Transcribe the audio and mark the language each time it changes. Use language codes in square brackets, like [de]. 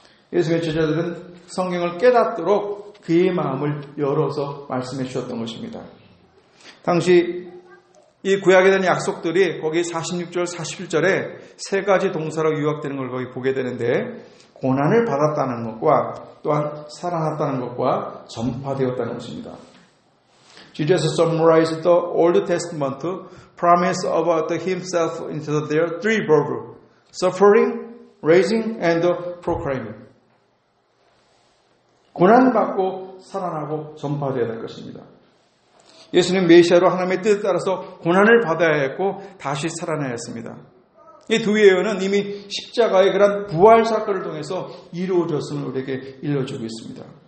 [ko] 예수님의 제자들은 성경을 깨닫도록 그의 마음을 열어서 말씀해 주셨던 것입니다. 당시 이 구약에 대한 약속들이 거기 46절, 47절에 세 가지 동사로 요약되는 걸 거기 보게 되는데 고난을 받았다는 것과 또한 살아났다는 것과 전파되었다는 것입니다. [en] Jesus summarized the Old Testament promise about himself into their three verbs: suffering, raising, and proclaiming. [ko] 고난받고 살아나고 전파되어야 될 것입니다. 예수님 메시아로 하나님의 뜻에 따라서 고난을 받아야 했고 다시 살아나야 했습니다. 이 두 예언은 이미 십자가의 그런 부활 사건을 통해서 이루어졌음을 우리에게 일러주고 있습니다.